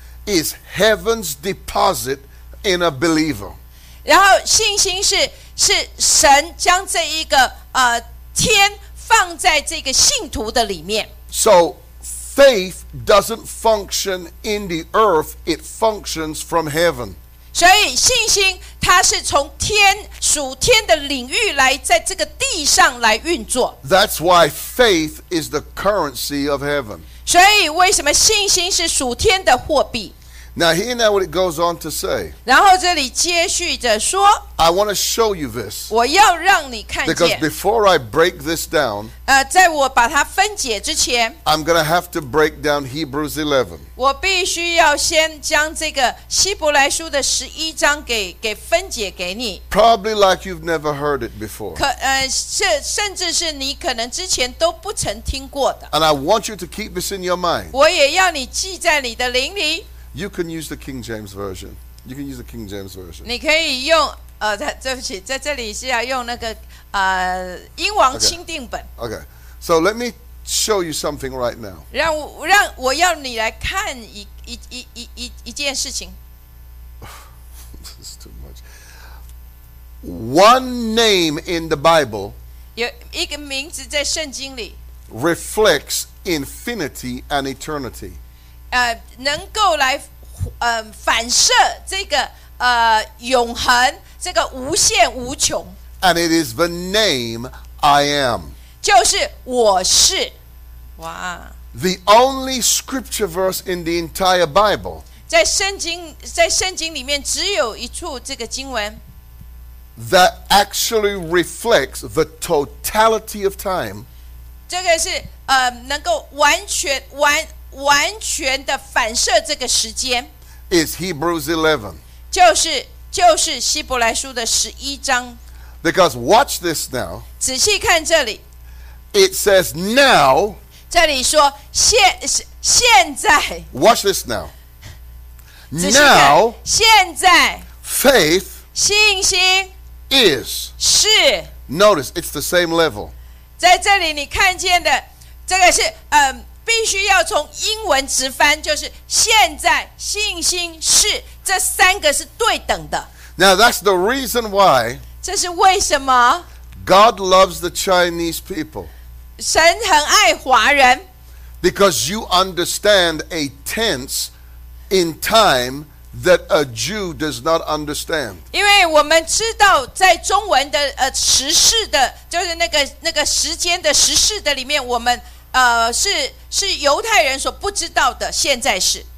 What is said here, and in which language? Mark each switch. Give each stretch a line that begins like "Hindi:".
English: is heaven's deposit in a believer.
Chinese: 然后信心是神将这一个天放在这个信徒的里面。
English: So faith doesn't function in the earth, it functions from heaven.
Chinese: 所以信心它是从天属天的领域来在这个地上来运作。
English: That's why faith is the currency of heaven.
Chinese: 所以为什么信心是属天的货币
English: Now hear now what it goes on to say
Chinese: 然后这里接续着说
English: I want to show you this
Chinese: 我要让你看见
English: Because before I break this down
Chinese: 在我把它分解之前
English: I'm going to have to break down Hebrews 11
Chinese: 我必须要先将这个希伯来书的十一章 给分解给你
English: Probably like you've never heard it before
Chinese: 甚至是你可能之前都不曾听过的
English: And I want you to keep this in your mind
Chinese: 我也要你记在你的灵里
English: You can use the King James Version You can use the King James Version
Chinese: 你可以用对不起在这里是要用那个英王钦定本
English: Okay. Okay, so let me show you something right now
Chinese: 让我要你来看 一件事情
English: This is too much One name in the Bible
Chinese: 有一个名字在圣经里
English: reflects infinity and eternity
Chinese: 能够来反射这个永恒这个无限无穷
English: And it is the name I am
Chinese: 就是我是哇
English: The only scripture verse in the entire Bible
Chinese: 在圣经里面只有一处这个经文
English: That actually reflects the totality of time
Chinese: 这个是能够完全的反射这个时间
English: Is Hebrews 11
Chinese: 就是希伯来书的十一章
English: Because watch this now
Chinese: 仔细看这里
English: It says now
Chinese: 这里说 现在
English: Watch this now Now
Chinese: 现在
English: Faith
Chinese: 信心
English: Is
Chinese: 是
English: Notice it's the same level
Chinese: 在这里你看见的这个是必须要从英文直翻就是现在信心是这三个是对等的
English: Now that's the reason why
Chinese: 这是为什么
English: God loves the Chinese people
Chinese: 神很爱华人
English: Because you understand a tense in time that a Jew does not understand
Chinese: 因为我们知道在中文的时事的就是那个时间的时事的里面我们是犹太人所不知道的现在是